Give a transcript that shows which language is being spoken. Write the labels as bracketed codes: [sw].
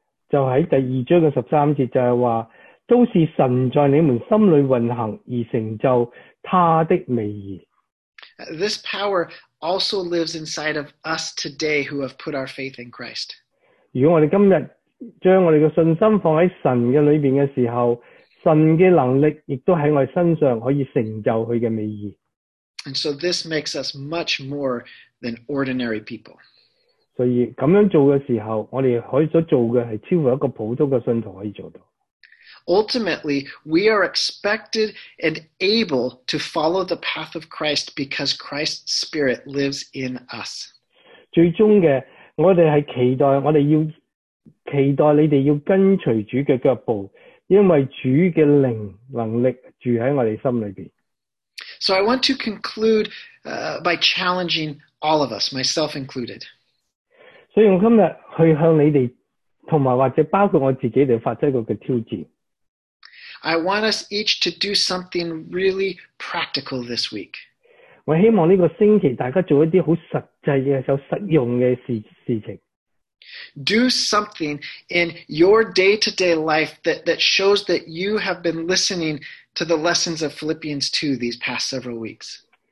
[zh] 就在第二章的十三节，就是说，都是神在你们心里运行而成就他的美意。 [en] This power also lives inside of us today who have put our faith in Christ. [zh] 如果我们今天将我们的信心放在神的里面的时候，神的能力也都在我们身上可以成就他的美意。 [en] And so this makes us much more than ordinary people. [zh] 所以这样做的时候，我们可以所做的是超过一个普通的信徒可以做到。 [en] ultimately, we are expected and able to follow the path of Christ because Christ's Spirit lives in us. [zh] 最终的, 我们是期待, 我们要期待你们要跟随主的脚步, 因为主的灵能力住在我们心里面。 [en] So I want to conclude by challenging all of us, myself included. [zh] 所以我今天去向你们,和或者包括我自己,发出一个挑战。 [en] I want us each to do something really practical this week. [zh] 我希望这个星期大家做一些很实际的,有实用的事情。 [en] Do something in your day-to-day life that shows that you have been listening to the lessons of Philippians 2 these past several weeks.